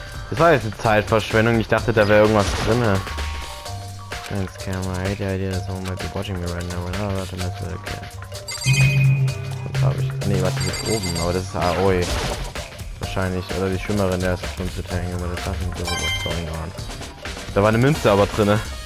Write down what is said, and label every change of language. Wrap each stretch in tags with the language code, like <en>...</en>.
<de>Das war jetzt eine Zeitverschwendung, ich dachte, da wäre irgendwas drinne.</de> <en>Thanks, Camera. I hate the idea that someone might be watching me right now. We're not allowed to mess with it, okay.</en> <de>Was hab ich? Ne, warte, hier oben, aber das ist Aoi. Wahrscheinlich, oder die Schwimmerin, der ist bestimmt zu hängen, aber das ist nicht so,</de> <en>was going on.</en> <de>Da war eine Münze aber drinne.</de>